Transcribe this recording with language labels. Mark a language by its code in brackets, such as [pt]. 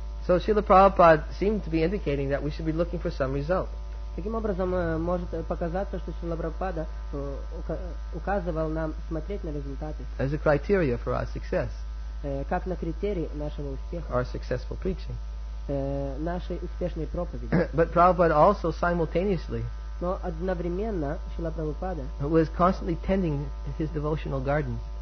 [en] So Srila Prabhupada seemed to be indicating that we should be looking for some result. [ru] Таким образом, может показаться, что Шрила Прабхупада указывал нам смотреть на результаты. [en] As a criteria for our success. [ru] Как на критерии нашего успеха. [en] Our successful preaching. [ru] Нашей успешной проповеди. [en] But Prabhupada also simultaneously. [ru] Но одновременно Шрила Прабхупада. [en] Was constantly tending his devotional garden.